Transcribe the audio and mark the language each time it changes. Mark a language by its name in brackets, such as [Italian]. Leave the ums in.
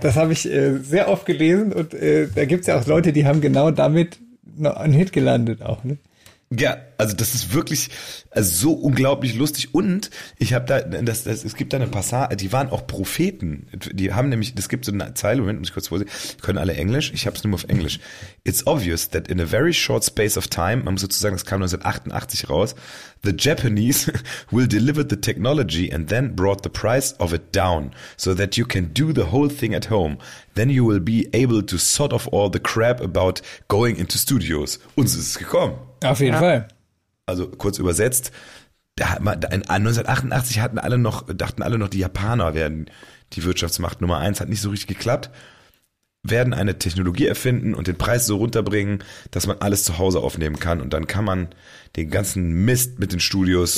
[German] Das habe ich äh, sehr oft gelesen und äh, da gibt's ja auch Leute, die haben genau damit noch einen Hit gelandet auch. Ne? ja, also das ist wirklich also so unglaublich lustig und ich habe da, das, das, es gibt da eine Passage, die waren auch Propheten, die haben nämlich, es gibt so eine Zeile, Moment, muss ich kurz vorsehen, können alle Englisch, ich habe es nur auf Englisch. [English] It's obvious that in a very short space of time, [German] man muss sozusagen, das kam 1988 raus, [English] the Japanese will deliver the technology and then brought the price of it down so that you can do the whole thing at home. Then you will be able to sort of all the crap about going into studios. [German] Uns ist es gekommen Auf jeden Fall. also kurz übersetzt, da hat man, da in 1988 hatten alle noch, dachten alle noch, die Japaner werden die Wirtschaftsmacht Nummer eins, hat nicht so richtig geklappt, werden eine Technologie erfinden und den Preis so runterbringen, dass man alles zu Hause aufnehmen kann und dann kann man den ganzen Mist mit den Studios.